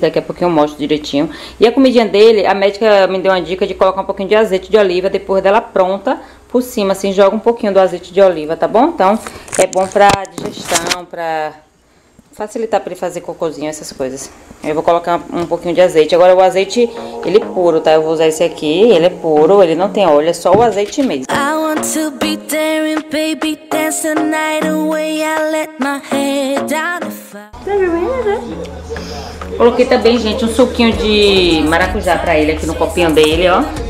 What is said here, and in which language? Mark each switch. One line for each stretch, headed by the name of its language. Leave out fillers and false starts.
Portuguese: Daqui a pouquinho eu mostro direitinho. E a comidinha dele, a médica me deu uma dica de colocar um pouquinho de azeite de oliva depois dela pronta. Por cima, assim, joga um pouquinho do azeite de oliva, tá bom? Então, é bom pra digestão, pra facilitar pra ele fazer cocôzinho, essas coisas. Eu vou colocar um pouquinho de azeite. Agora, o azeite, ele é puro, tá? Eu vou usar esse aqui, ele é puro, ele não tem óleo, é só o azeite mesmo.
English: I want to be daring, baby, dance the night away, I let my head down the fire.
Portuguese: Coloquei também, gente, um suquinho de maracujá pra ele aqui no copinho dele, ó.